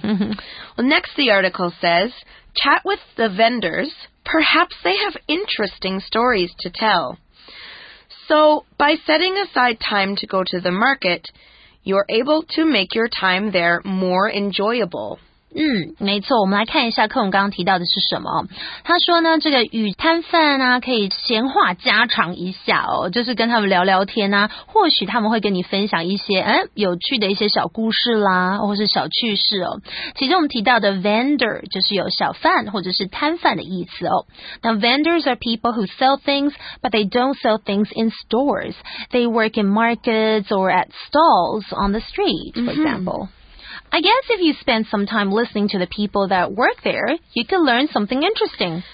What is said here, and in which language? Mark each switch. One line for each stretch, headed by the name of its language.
English: Well, next the article says, chat with the vendors. Perhaps they have interesting stories to tell. So, by setting aside time to go to the market, you're able to make your time there more enjoyable.
Chinese: 嗯，没错，我们来看一下课文刚刚提到的是什么。他说呢，这个与摊贩啊可以闲话家常一下哦，就是跟他们聊聊天啊，或许他们会跟你分享一些有趣的一些小故事啦，或是小趣事哦。其中我们提到的 vendor 就是有小贩或者是摊贩的意思哦。那
English: vendors are people who sell things, but they don't sell things in stores. They work in markets or at stalls on the street, for example.、Mm-hmm. I guess if you spend some time listening to the people that work there, you could learn something interesting.